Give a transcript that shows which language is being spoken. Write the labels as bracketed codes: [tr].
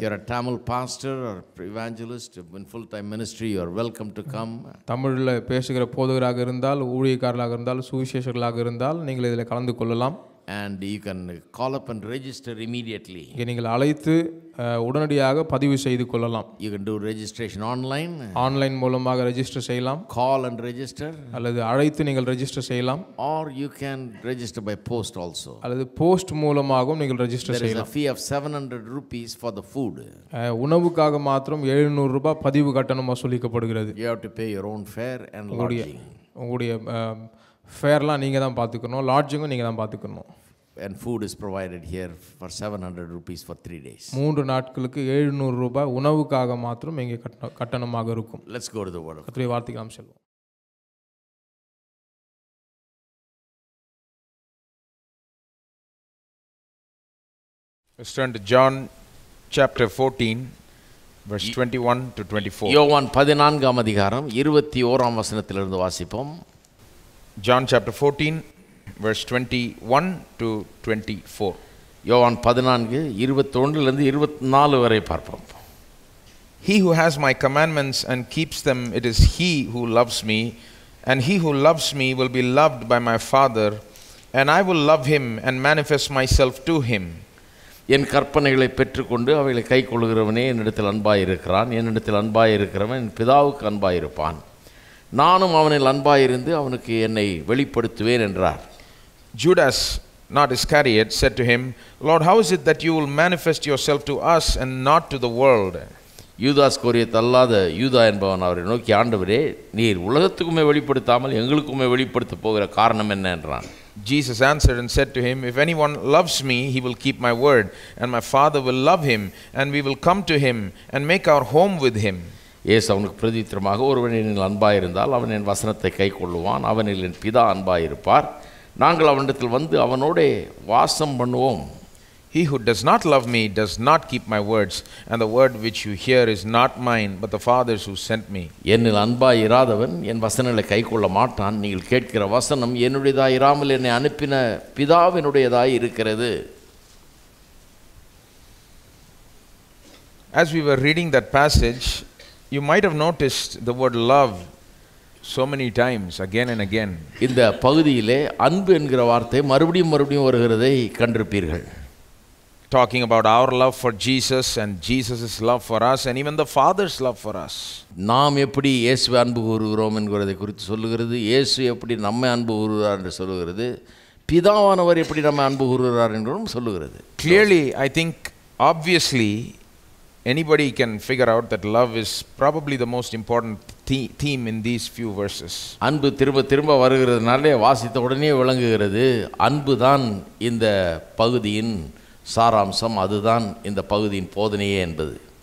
[en] If you're a Tamil pastor or evangelist in full-time ministry, you are welcome to come. [ta] தமிழில் பேசுகிற போதகராக இருந்தால், ஊழியக்காரராக இருந்தால், சுவிசேஷர்களாக இருந்தால் நீங்கள் இதில் கலந்து கொள்ளலாம். [en] And you can call up and register immediately. [ta] இங்கே நீங்கள் அழைத்து உடனடியாக பதிவு செய்து கொள்ளலாம். [en] You can do registration online. [ta] Online மூலமாக ரெஜிஸ்டர் செய்யலாம். [en] Call and register. [ta] அல்லது அழைத்து நீங்கள் ரெஜிஸ்டர் செய்யலாம். [en] Or you can register by post also. [ta] அல்லது போஸ்ட் மூலமாகவும் நீங்கள் ரெஜிஸ்டர் செய்யலாம். [en] There is a fee of 700 rupees for the food. [ta] உணவுக்காக மட்டும் 700 ரூபாய் பதிவு கட்டணம் வசூலிக்கப்படுகிறது. [en] You have to pay your own fare and lodging. [ta] உங்களுடைய ஃபேர்லாம் நீங்கள் தான் பார்த்துக்கணும், லாட்ஜிங்கும் நீங்கள் தான் பார்த்துக்கணும். [en] And food is provided here for 700 rupees for 3 days. [ta] 3 நாட்களுக்கு 700 ரூபாய் உணவுக்காக மட்டும் இங்கே கட்டணமாக இருக்கும். [en] Let's go to the word. [ta] கர்த்தருடைய வார்த்தைக்கு நாம் செல்வோம். [en] Stand John chapter 14 verse 21 to 24. [ta] யோவான் 14 அதிகாரம் 21 வசனத்திலிருந்து வாசிப்போம். [en] John chapter 14 verse 21 to 24. [ta] யோவான் 14 21 ல இருந்து 24 வரை பார்ப்போம். [en] He who has my commandments and keeps them, it is he who loves me, and he who loves me will be loved by my father, and I will love him and manifest myself to him. [ta] என் கற்பனைகளை பெற்றுக்கொண்டு அவைகளை கைக்கொள்ளுகிறவனே என்னிடத்தில் அன்பாய் இருக்கிறான், என்னிடத்தில் அன்பாய் இருக்கிறவன் என் பிதாவுக்கு அன்பாய் இருப்பான், நானும் அவனில் அன்பாயிருந்து அவனுக்கு என்னை வெளிப்படுத்துவேன் என்றார். [en] Judas, not Iscariot, said to him, Lord, how is it that you will manifest yourself to us and not to the world? [ta] யூதாஸ் கோரியதல்லாத யூதா என்பவன் அவரை நோக்கி, ஆண்டவரே, நீர் உலகத்துக்குமே வெளிப்படுத்தாமல் எங்களுக்குமே வெளிப்படுத்த போகிற காரணம் என்ன என்றான். [en] Jesus answered and said to him, If anyone loves me, he will keep my word, and my Father will love him, and we will come to him and make our home with him. [ta] இயேசு அவனுக்கு பிரதித்திரமாக, ஒருவன் என்னில் அன்பாயிருந்தால் அவன் என் வசனத்தை கை கொள்ளுவான், அவனில் என் பிதா அன்பாயிருப்பார், நாங்கள் அவனிடத்தில் வந்து அவனோட வாசம் பண்ணுவோம். [en] He who does not love me does not keep my words, and the word which you hear is not mine, but the Father's who sent me. [ta] என்னில் அன்பாய் இராதவன் என் வசனங்களை கைக்கொள்ள மாட்டான். நீங்கள் கேட்கிற வசனம் என்னுடையதாய் இராமல் என்னை அனுப்பின பிதாவினுடையதாய் இருக்கிறது. [en] As we were reading that passage, you might have noticed the word love so many times again and again. [ta] இந்த பகுதியிலே அன்பு என்கிற வார்த்தை மறுபடியும் மறுபடியும் வருகிறதை கண்டிருப்பீர்கள். [en] Talking about our love for Jesus and Jesus's love for us and even the Father's love for us. [ta] நாம் எப்படி இயேசுவை அன்பு கூறுகிறோம் என்கிறதை குறித்து சொல்லுகிறது. இயேசு எப்படி நம்மை அன்பு கூறுகிறார் என்று சொல்லுகிறது. பிதாவானவர் எப்படி நம்மை அன்பு கூறுகிறார் என்றும் சொல்லுகிறது. [en] Clearly, I think obviously anybody can figure out that love is probably the most important theme in these few verses. [ta] அன்பு திரும்ப திரும்ப வருகிறதுனாலே வாசித்த உடனே விளங்குகிறது அன்பு தான் இந்த பகுதியின் சாராம்சம். அதுதான் இந்த பகுதியின் போதனையே என்பது.